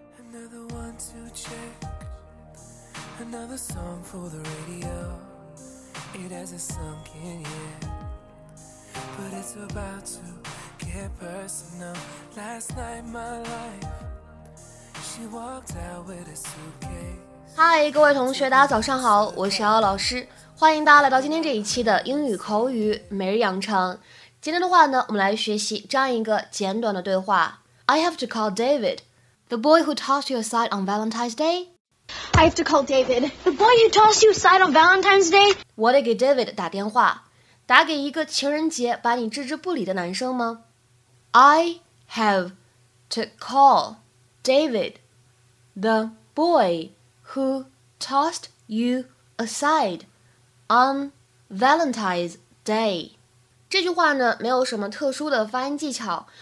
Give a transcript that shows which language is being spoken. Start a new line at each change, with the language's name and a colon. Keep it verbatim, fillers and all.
English: Another one to check, another song for the radio. It hasn't sunk in yet, but it's about to get personal. Last night my life, she walked out with a suitcase.
Chinese: 嗨，各位同学，大家早上好，我是姚老师，欢迎大家来到今天这一期的英语口语每日养成。今天的话呢，我们来学习这样一个简短的对话。
English: I have to call David. The boy who tossed you aside on Valentine's Day? I have to call David. The boy who tossed you aside on Valentine's Day?
Chinese: 我得给 David 打电话。打给一个情人节把你置之不理的男生吗？
English: I have to call David. The boy who tossed you aside on Valentine's Day.
Chinese: 这句话呢，没有什么特殊的发音技巧。